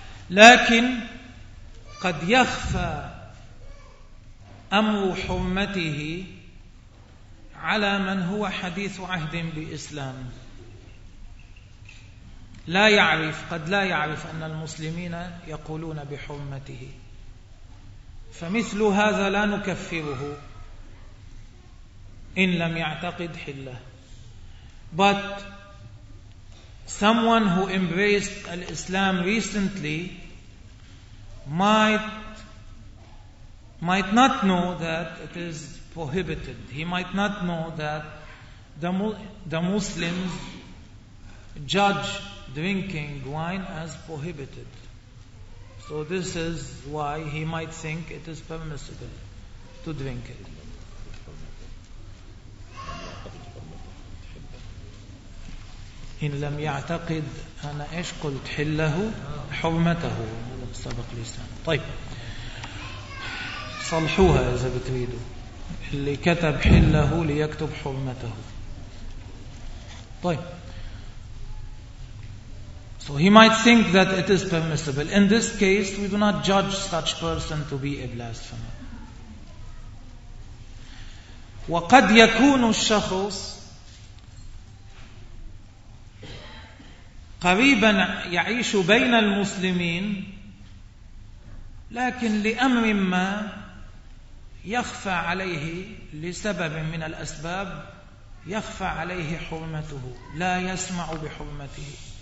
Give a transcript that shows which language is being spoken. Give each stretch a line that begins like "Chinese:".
Arabic: لكن قد يخفى أمر حرمته على من هو حديث عهد بإسلام لا يعرف قد لا يعرف أن المسلمين يقولون بحرمته فمثل هذا لا نكفره إن لم يعتقد حله.
English: But someone who embraced Islam recently might not know that it is prohibited. He might not know that the Muslims judge drinking wine as prohibited. So this is why he might think it is permissible to drink it.
Arabic: إن لم يعتقد أنا إيش قلت حله حرمته سبق لسان. طيب صلحوها إذا بتريدوا اللي كتب حله ليكتب حرمته.
English: طيب so he might think that it is permissible. In this case we do not judge such person to be a blasphemer.
Arabic: وقد يكون الشخص قريبا يعيش بين المسلمين لكن لأمر ما يخفى عليه لسبب من الأسباب يخفى عليه حرمته لا يسمع بحرمته